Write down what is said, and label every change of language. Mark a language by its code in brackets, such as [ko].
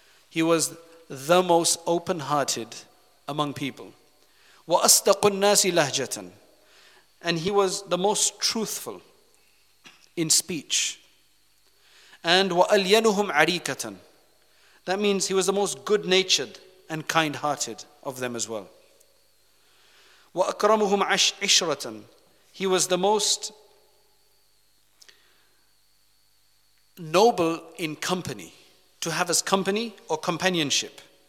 [en] He was the most open-hearted among people. [ar] وَأَصْدَقُ النَّاسِ لَهْجَةً. [en] And he was the most truthful in speech. And [ar] وَأَلْيَنُهُمْ عَرِيكَةً. [en] That means he was the most good-natured and kind-hearted of them as well. [ar] وَأَكْرَمُهُمْ عِشْرَةً. [en] He was the most noble in company, to have as company or companionship.